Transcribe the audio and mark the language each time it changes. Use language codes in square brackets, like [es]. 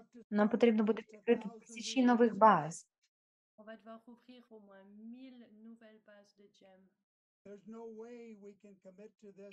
[uk] Нам потрібно буде відкрити тисячі нових баз. [fr] On va devoir ouvrir au moins 1000 nouvelles bases de GEM. [en] There's no way we can commit to this.